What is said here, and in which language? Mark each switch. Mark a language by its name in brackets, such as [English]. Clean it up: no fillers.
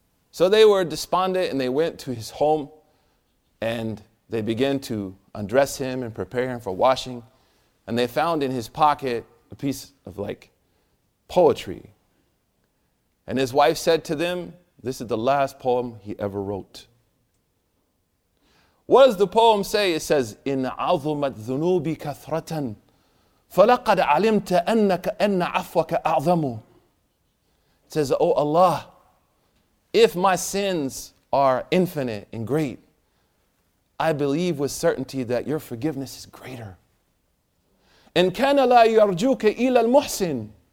[English] So they were despondent, and they went to his home, and they began to undress him and prepare him for washing. And they found in his pocket a piece of, like, poetry. And his wife said to them, this is the last poem he ever wrote. What does the poem say? It says, [Arabic] "In عظمت ذنوبي كثرة فلقد علمت أنك أن عفوك أعظم." [English] It says, "Oh Allah, if my sins are infinite and great, I believe with certainty that your forgiveness is greater." [Arabic] إن كان لا يرجوك إلا المحسن.